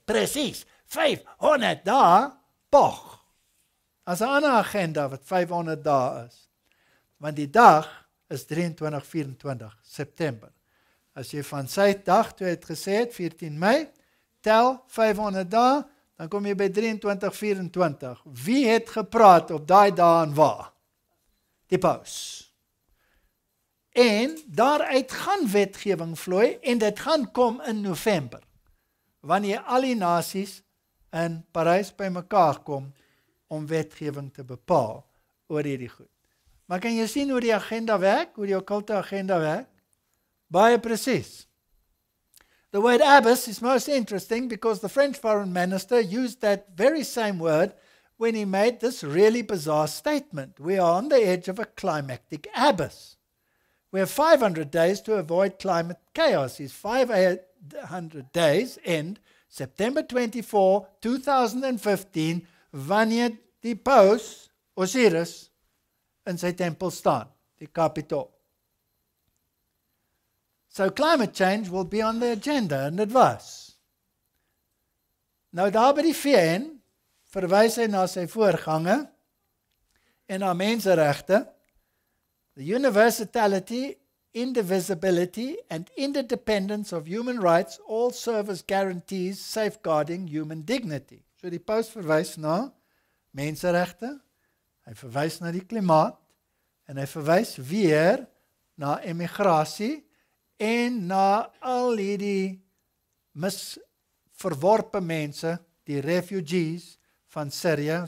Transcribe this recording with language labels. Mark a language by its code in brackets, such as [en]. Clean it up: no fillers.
[af] Presies, 500 dae, poch. As 'n ander agenda wat 500 dae is. Want die dag is 23-24 September. As jy van sy dag, toe het gesê het, 14 Mei, tel 500 dae, dan kom jy by 23-24. Wie het gepraat op daai dae en waar? Die paus. En daaruit gaan wetgewing vloei en dit gaan kom in November, wanneer al die nasies in Parys by mekaar kom om wetgewing te bepaal oor hierdie goed. Maar kan jy sien hoe die agenda werk, hoe die okkulte agenda werk? Baie precies. [en] The word abyss is most interesting because the French foreign minister used that very same word when he made this really bizarre statement. "We are on the edge of a climactic abyss. We have 500 days to avoid climate chaos." His 500 days end September 24, 2015, [af] wanneer die paus Osiris in sy tempel staan, die kapitaal. [en] So climate change will be on the agenda and advice. [af] Nou daar by die VN verwys hy na sy voorgange en na menseregte. [en] "The universality, indivisibility and interdependence of human rights all serve as guarantees safeguarding human dignity." [af] So die paus verwys na menseregte, hy verwys na die klimaat, en hy verwys weer na emigrasie en na al hierdie misverworpe mense, die refugees van Syrië.